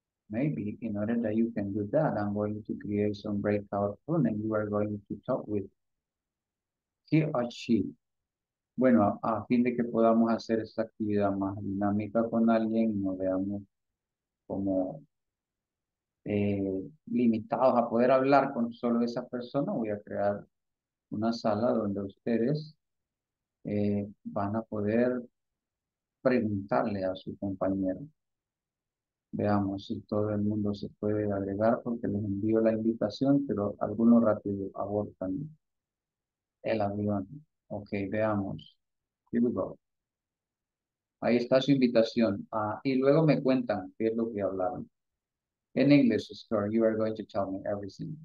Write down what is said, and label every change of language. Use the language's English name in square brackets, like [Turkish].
[English] Maybe in order that you can do that, I'm going to create some breakout room and you are going to talk with he or she. [Spanish] Bueno, a fin de que podamos hacer esa actividad más dinámica con alguien y nos veamos como limitados a poder hablar con solo esa persona, voy a crear una sala donde ustedes van a poder preguntarle a su compañero. Veamos si todo el mundo se puede agregar porque les envío la invitación, pero algunos rápido abortan el avión. Ok, veamos. [English] Here we go. [Spanish] Ahí está su invitación. Y luego me cuentan qué es lo que hablaron. [English] In English, sir, you are going to tell me everything.